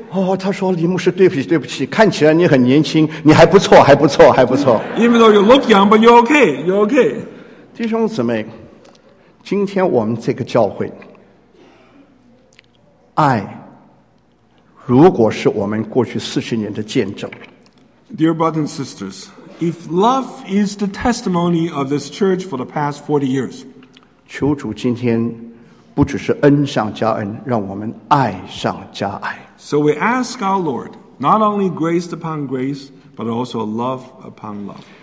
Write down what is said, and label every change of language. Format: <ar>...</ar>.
<zh>哦,他说,李牧师,对不起,对不起, 看起来你很年轻, 你还不错。</zh> <en>Even though you look young, but you're okay, you're okay.</en> <zh>弟兄姊妹, 今天我们这个教会, 爱, 如果是我们过去40年的见证,</zh> <en>dear brothers and sisters, if love is the testimony of this church for the past 40 years,</en> <zh>求主今天不只是恩上加恩, 让我们爱上加爱。</zh> <en>So we ask our Lord, not only grace upon grace, but also love upon love.</en>